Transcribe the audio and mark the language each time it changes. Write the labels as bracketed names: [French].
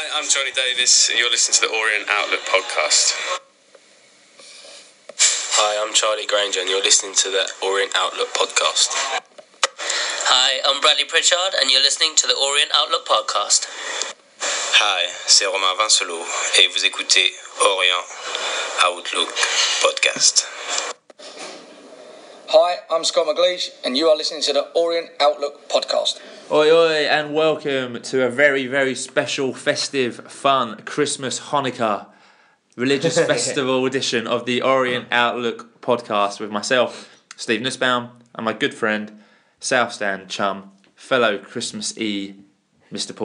[English] Tony Davis, and you're listening to the Orient Outlook podcast. Hi, I'm Charlie Granger, and you're listening to the Orient Outlook podcast. Hi, I'm Bradley Pritchard, and you're listening to the Orient Outlook podcast. [French] Hi, c'est Romain Vincelot, et vous écoutez Orient Outlook podcast. [English] Hi, I'm Scott McLeish, and you are listening to the Orient Outlook podcast. Oi, oi, and welcome to a very, very special, festive, fun Christmas Hanukkah religious festival edition of the Orient Outlook podcast with myself, Steve Nussbaum, and my good friend, South Stand chum, fellow Christmas-y, Mr.